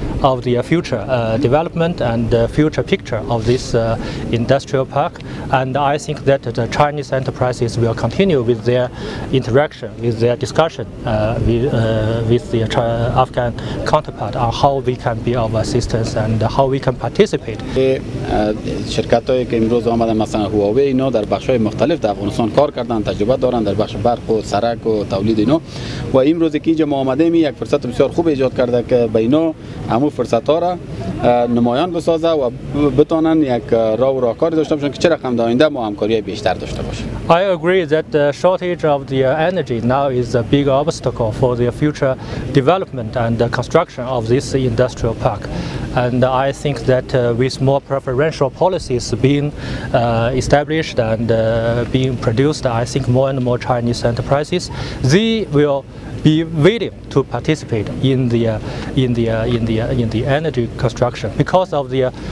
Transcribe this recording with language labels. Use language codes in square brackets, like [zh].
[en] of the future development and the future picture of this industrial park. And I think that the Chinese enterprises will continue with their interaction, with their discussion with the Afghan counterpart on how we can be of assistance and how we can participate. [fa] شرکت‌هایی که امروز آمدن مثلا هواوی اینا در بخش‌های مختلف در افغانستان کار کردن، تجربه دارن در بخش برق و سرک و تولید اینا، و امروز که اینجا ما آمدیم یک فرصت بسیار خوب ایجاد کرده که به اینا همو فرصت‌ها را نمایان بسازه و بتونن یک راه و راهکار داشته باشن که چه رقم داینده ما همکاری بیشتر داشته باشن. [en] I agree that the shortage of the energy now is a big obstacle for the future development and the construction of this industrial park. And I think that with more preferential policies being established and being produced, I think more and more Chinese enterprises, they will be willing to participate in the energy construction because of the